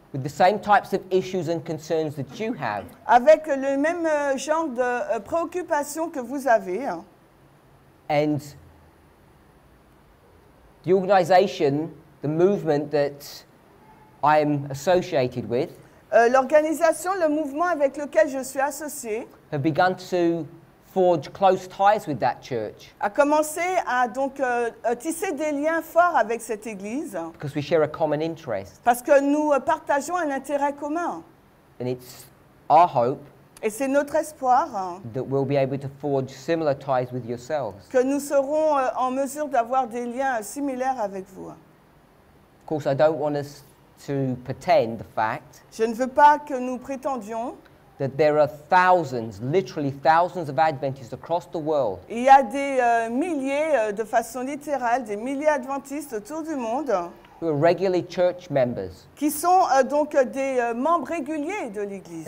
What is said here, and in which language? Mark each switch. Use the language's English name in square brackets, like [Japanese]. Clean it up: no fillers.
[English] With the same types of issues and concerns that you have. [French] Avec le même genre de préoccupations que vous avez. [English] And the organization, the movement that I'm associated with. [French] L'organisation, le mouvement avec lequel je suis associé. [English] Have begun to forge close ties with that church. [French] A commencé à donc tisser des liens forts avec cette église. [English] Because we share a common interest. [French] Parce que nous partageons un intérêt commun. [English] And it's our hope. [French] Et c'est notre espoir. [English] That we'll be able to forge similar ties with yourselves. [French] Que nous serons en mesure d'avoir des liens similaires avec vous. [English] Of course, I don't want us to pretend the fact. [French] Je ne veux pas que nous prétendions. [English] That there are thousands, literally thousands of Adventists across the world. [French] Il y a des milliers, de façon littérale, des milliers d'Adventistes autour du monde. [English] Who are regularly church members. [French] Qui sont donc des membres réguliers de l'Église.